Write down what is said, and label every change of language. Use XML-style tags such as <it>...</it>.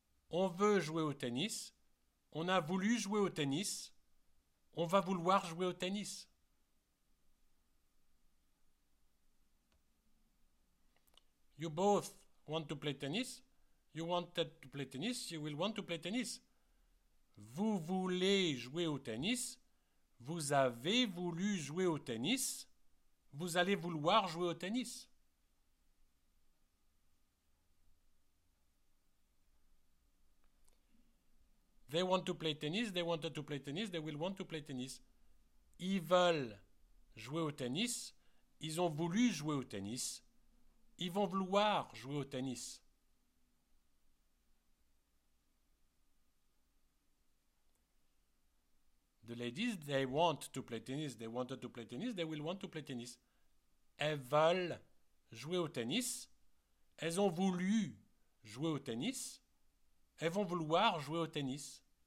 <fr>On veut jouer au tennis, on a voulu jouer au tennis, on va vouloir jouer au tennis.</fr> <en>You both want to play tennis, you wanted to play tennis, you will want to play tennis.</en> <fr>Vous voulez jouer au tennis, vous avez voulu jouer au tennis, vous allez vouloir jouer au tennis.</fr> <en>They want to play tennis, they wanted to play tennis, they will want to play tennis.</en> <fr>Ils veulent jouer au tennis, ils ont voulu jouer au tennis, ils vont vouloir jouer au tennis.</fr> <en>The ladies, they want to play tennis, they wanted to play tennis, they will want to play tennis.</en> <fr>Elles veulent jouer au tennis, elles ont voulu jouer au tennis, elles vont vouloir jouer au tennis.</fr>